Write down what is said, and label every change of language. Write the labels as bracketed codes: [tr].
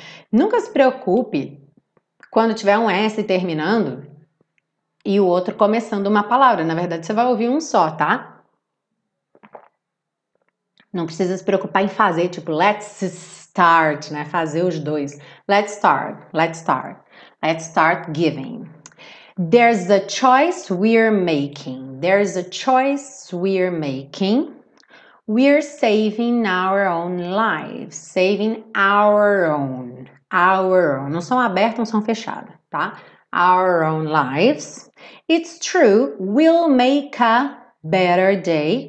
[pt] Nunca se preocupe quando tiver um S terminando e o outro começando uma palavra. Na verdade, você vai ouvir um só, tá? Não precisa se preocupar em fazer, tipo, [en] let's start, [pt] né? Fazer os dois. [en] Let's start, let's start, let's start giving. There's a choice we're making. There's a choice we're making. We're saving our own lives. Saving our own. [pt] Não são abertos, não são fechados, tá? [en] Our own lives. It's true, we'll make a better day.